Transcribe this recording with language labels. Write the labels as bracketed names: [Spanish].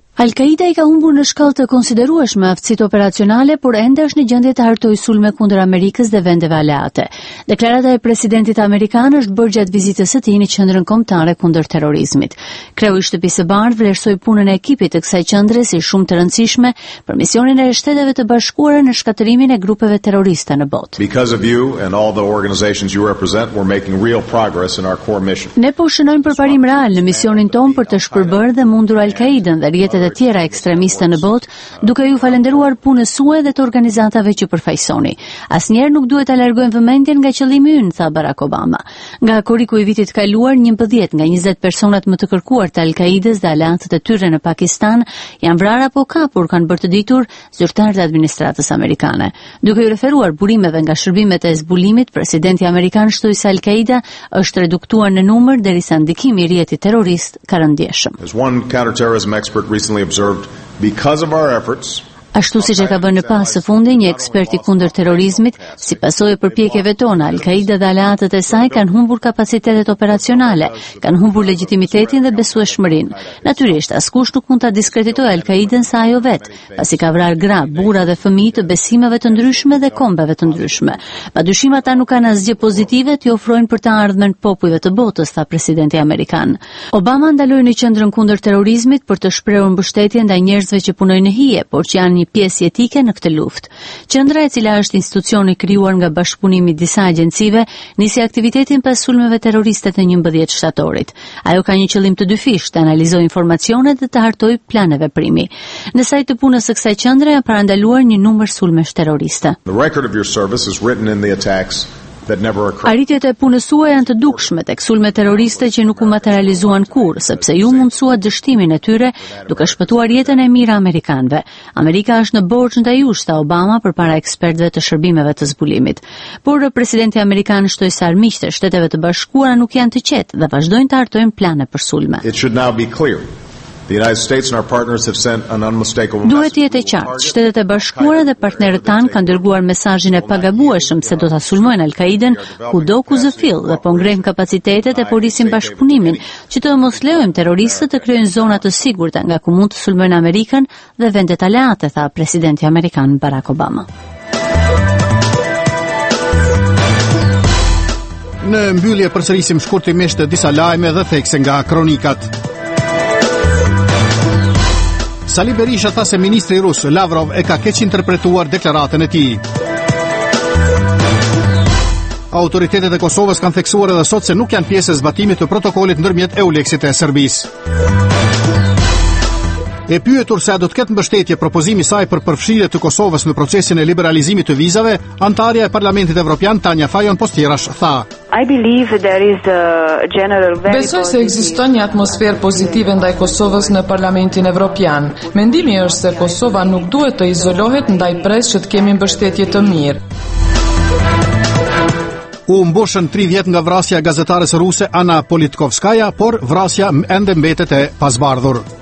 [Albanian] Al-Qaida i ka humbur në shkallë të konsiderueshme aftësitë operacionale, por ende është në gjendje të hartojë sulme kundër Amerikës dhe vendeve aleate. Deklarata e presidentit amerikan është bërë gjatë vizitës së tij në qendrën kombëtare kundër terrorizmit. Kreu i Shtëpisë së Bardhë vlerësoi punën e ekipit të kësaj qendre si shumë të rëndësishme për misionin e Shteteve të Bashkuara në shkatërimin e grupeve terroriste në botë. [English] "Because of you and all the organizations you represent, we're making real progress in our core mission." [Albanian] Ne po shënojmë përparim real në misionin ton për të shpërbërë dhe mundur Al-Qaidën dhe rjetë dhe tjera ekstremiste në botë, duke ju falenderuar punës suaj dhe të organizatave që përfaqësoni. Asnjëherë nuk duhet ta largojmë vëmendjen nga qëllimi ynë, tha Barack Obama. Nga koriku i vitit kaluar, 11 nga 20 personat më të kërkuar të Al-Qaidës dhe aleatët e tyre në Pakistan janë vrarë apo kapur, kanë bërë të ditur zyrtarët e administratës amerikane. Duke ju referuar burimeve nga shërbimet e zbulimit, presidenti amerikan shtoi se Al-Qaida është reduktuar në numër derisa ndikimi i rjetit terrorist ka rënë ndjeshëm. [English] Recently observed, because of our efforts, [Albanian] ashtu siç e ka vënë në pas së fundi një ekspert i kundër terrorizmit, si pasojë e përpjekjeve tona, Al-Qaida dhe aleatët e saj kanë humbur kapacitetet operacionale, kanë humbur legitimitetin dhe besueshmërinë. Natyrisht, askush nuk mund ta diskreditojë Al-Qaidën sa ajo vet, pasi ka vrarë gra, burra dhe fëmijë të besimeve të ndryshme dhe kombeve të ndryshme. Padyshim ata nuk kanë asgjë pozitive t'i ofrojnë për të ardhmen popujve të botës, tha presidenti amerikan. Obama ndaloi në qendrën kundër terrorizmit për të shprehur mbështetje ndaj njerëzve që punojnë në hije, por që janë një pjesë jetike në këtë luftë. Qendra, e cila është institucioni krijuar nga bashkëpunimi i disa agjencive, nisi aktivitetin pas sulmeve terroriste të 11 shtatorit. Ajo ka një qëllim të dyfish, të analizojë informacionet dhe të hartojë plane veprimi. Në saj të punës së kësaj qendre, janë parandaluar një numër sulmesh terroriste. [English] "The record of your service is written in the attacks." [Albanian] Arritjet e punës suaj janë të dukshme tek sulmet terroriste që nuk u materializuan kurrë, sepse ju mundsuat dështimin e tyre duke shpëtuar jetën e mirë amerikanëve. Amerika është në borx ndaj jush, tha Obama përpara ekspertëve të shërbimeve të zbulimit. Por presidenti amerikan shtoi se armiqtë e Shteteve të Bashkuara nuk janë të qetë dhe vazhdojnë të hartojnë plane për sulme. [English] "It should now be clear. The United States and our partners have sent an unmistakable message." [Albanian] Duhet të jetë qartë, Shtetet e Bashkuara dhe partnerët tanë kanë dërguar mesazhin e pagabueshëm se do ta sulmojnë Al-Qaidën kudo ku zëfill dhe po ngrejmë kapacitetet e po rrisim bashkëpunimin që të mos lejojmë terroristët të krijojnë zona të sigurta nga ku mund të sulmojnë Amerikën dhe vendet aleate, tha presidenti amerikan Barack Obama. Në mbyllje përsërisim shkurtimisht disa lajme dhe thekse nga kronikat. Sali Berisha tha se ministri rus Lavrov e ka keq interpretuar deklaratën e tij. Autoritetet e Kosovës kanë theksuar edhe sot se nuk janë pjesë e zbatimit të protokollit ndërmjet Euleksit e Serbisë. E pyetur se a do të ketë mbështetje propozimi saj për përfshirje të Kosovës në procesin e liberalizimit të vizave, antarja e Parlamentit Evropian Tanja Fajon Postierash tha: [English] I believe that there is a general very positive. [Albanian] Besoj se ekziston një atmosferë pozitive ndaj Kosovës në Parlamentin Evropian. Mendimi është se Kosova nuk duhet të izolohet ndaj presë që të kemi mbështetje të mirë. U mbushën 30 nga vrasja gazetares ruse Anna Politkovskaja, por vrasja ende mbetet e pazbardhur.